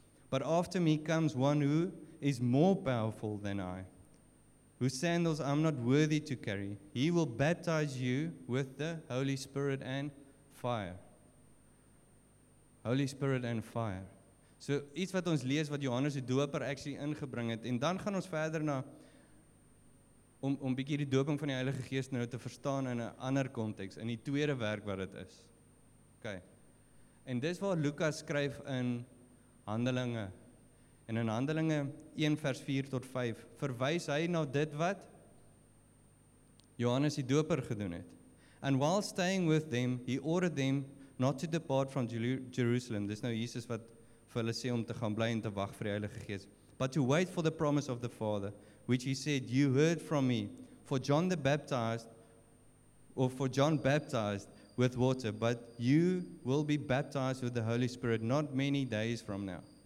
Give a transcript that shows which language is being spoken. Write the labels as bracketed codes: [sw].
[en] But after me comes one who is more powerful than I, whose sandals I'm not worthy to carry. He will baptize you with the Holy Spirit and fire. Holy Spirit and fire. [af] So iets wat ons lees wat Johannes die doper actually ingebring het, en dan gaan ons verder na, om bietjie die doping van die Heilige Gees nou te verstaan in 'n ander context, in die tweede werk wat dit is. Okay. En dis waar Lukas skryf in Handelinge, en in Handelinge 1 vers 4 tot 5, verwys hy na dit wat Johannes die doper gedoen het. [en] And while staying with them, he ordered them not to depart from Jerusalem. [af] Dis nou Jesus wat vir hulle sê om te gaan bly en te wag vir die Heilige Gees. [en] But to wait for the promise of the Father, which he said, you heard from me, for John the baptized, or for John baptized with water, but you will be baptized with the Holy Spirit not many days from now.